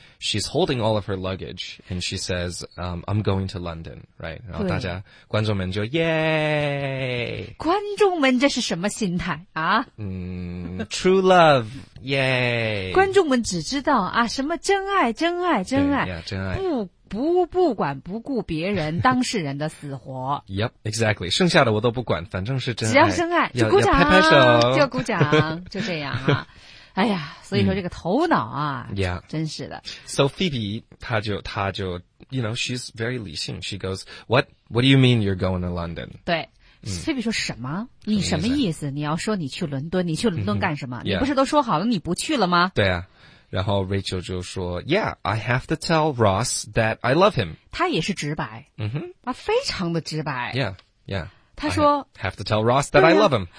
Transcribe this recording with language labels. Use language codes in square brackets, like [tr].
[en] She's holding all of her luggage, and she says, "I'm going to London." Right. [zh] 然后大家观众们就 [en] Yay. [zh] 观众们这是什么心态啊？ [en] True love. Yay. [zh] 观众们只知道啊，什么真爱，真爱，真爱， [en] yeah, [zh] 真爱。不管不顾别人当事人的死活。 [en] Yep, exactly. [zh] 剩下的我都不管，反正是真爱。只要真爱，就鼓掌，拍拍手，就鼓掌，就这样啊。哎呀，所以说这个头脑啊， [en] yeah. [zh] 真是的。 [en] So Phoebe, [zh] 她就 [en] ，you know, she's very [zh] 理性。 [en] She goes, What do you mean you're going to London? [zh] 对。菲比说什么？你什么意思？你要说你去伦敦，你去伦敦干什么？ [en] Yeah. [zh] 你不是都说好了你不去了吗？对啊。然后 [en] Rachel [zh] 就说 [en] ，Yeah, I have to tell Ross that I love him。 [zh] 他也是直白，啊，非常的直白。 [en] Yeah, yeah。 [zh] 他说 [en] ，Have to tell Ross that I love him。